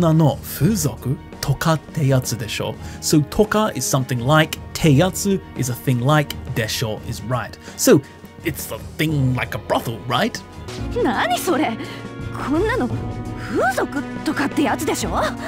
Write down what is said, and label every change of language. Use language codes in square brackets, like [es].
[ja] こんなの風俗とかってやつでしょ? [en] So toka is something like, teyatsu is a thing like, desho is right. So it's a thing like a brothel, right? [ja] 何それ? こんなの風俗とかってやつでしょ?